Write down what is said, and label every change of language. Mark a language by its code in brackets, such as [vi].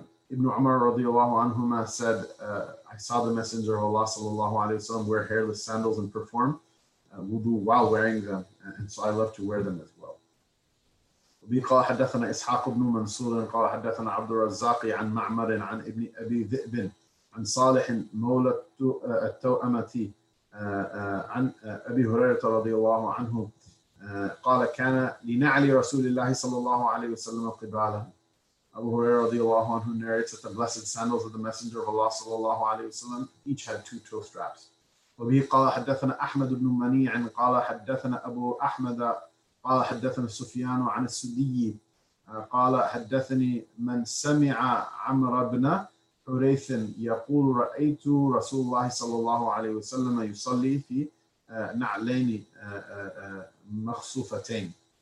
[en] Ibn Umar [ar] رضي الله عنهما [en] said, I saw the Messenger of Allah [ar] صلى الله عليه وسلم [en] wear hairless sandals and perform wudu while wearing them, and so I love to wear them as well. [ar] وقال حدثنا إسحاق بن منصور قال حدثنا عبد الرزاق عن معمر عن ابن أبي ذئب عن صالح مولى التوأمة عن أبي هريرة رضي الله عنه قال كان لنعلي رسول الله صلى الله عليه وسلم قبالا. [en] أبو هريرة [ar] رضي الله عنه [en] narrates that the blessed sandals of the Messenger of Allah [ar] صلى الله عليه وسلم [en] each had two toe straps. [ar] وبه قال حدثنا أحمد بن منيع قال حدثنا أبو أحمد قال حدثنا سفيان عن السدي قال حدثني من سمع عمرو بن حريث يقول رأيت رسول الله صلى الله عليه وسلم يصلي في نعلين مخصوفتين.